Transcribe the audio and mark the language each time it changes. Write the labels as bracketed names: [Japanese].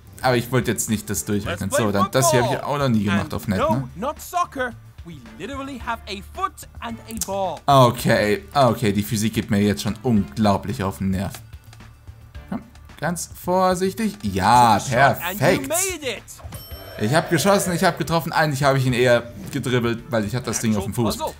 [German] Aber ich wollte jetzt nicht das durchrechnen. So, dann, das hier habe ich auch noch nie gemacht auf Net, ne? [English] We literally have a foot and a ball. [German] Okay, die Physik gibt mir jetzt schon unglaublich auf den Nerv. Komm, ganz vorsichtig. Ja, perfekt. Ich habe geschossen, ich habe getroffen. Eigentlich habe ich ihn eher gedribbelt, weil ich hatte das Ding auf dem Fuß.